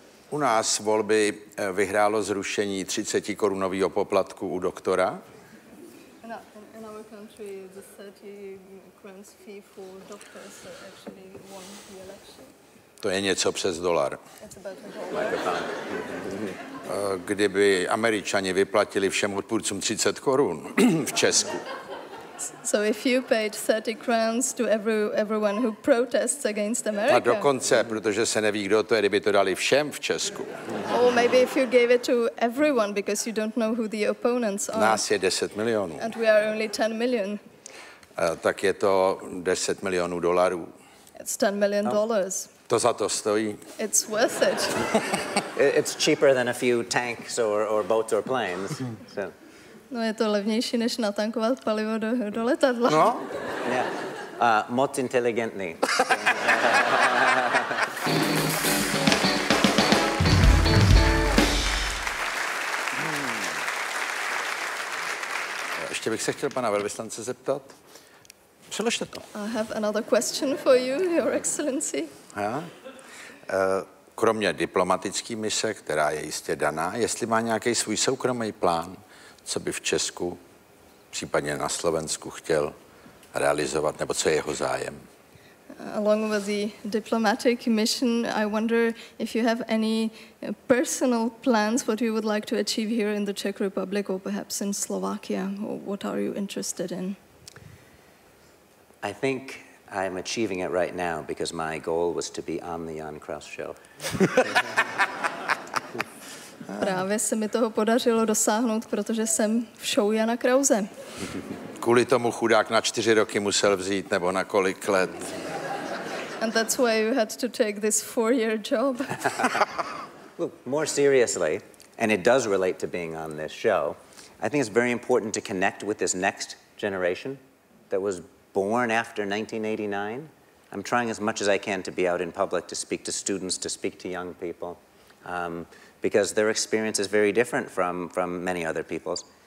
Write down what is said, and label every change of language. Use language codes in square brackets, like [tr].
[cs] U nás volby vyhrálo zrušení 30 korunového poplatku u doktora. [en] In our country, the 30 crowns fee for doctors actually won the election. [cs] To je něco přes dolar. [en] It's about a dollar. Like a [cs] kdyby Američani vyplatili všem odpůrcům 30 korun v Česku. [en] So if you paid 30 crowns to everyone who protests against America. [cs] A dokonce, protože se neví, kdo to je, kdyby to dali všem v Česku. [en] Or maybe if you gave it to everyone because you don't know who the opponents are. [cs] Nás je 10 milionů. [en] And we are only 10 million. [cs] Tak je to 10 milionů dolarů. [en] It's 10 million dollars. [cs] To za to stojí. [en] It's worth it. It's cheaper than a few tanks or boats or planes. So. [cs] No, je to levnější, než natankovat palivo do letadla. No. Yeah. Moc inteligentní. Ještě bych se chtěl pana velvyslance zeptat. Přeložte to. [en] I have another question for you, Your Excellency. [cs] Kromě diplomatický mise, která je jistě daná, jestli má nějaký svůj soukromý plán, co by v Česku, případně na Slovensku chtěl realizovat, nebo co je jeho zájem? [en] along with the diplomatic mission, I wonder if you have any personal plans, what you would like to achieve here in the Czech Republic or perhaps in Slovakia, or what are you interested in? I think I'm achieving it right now because my goal was to be on the Jan Kraus show. [cs] Právě se mi toho podařilo dosáhnout, protože jsem v show Jana Krause. Kvůli tomu chudák na 4 roky musel vzít, nebo na kolik let. [en] And that's why you had to take this 4-year job. More seriously, and it does relate to being on this show, I think it's very important to connect with this next generation that was born after 1989. I'm trying as much as I can to be out in public, to speak to students, to speak to young people, because their experience is very different from many other people's.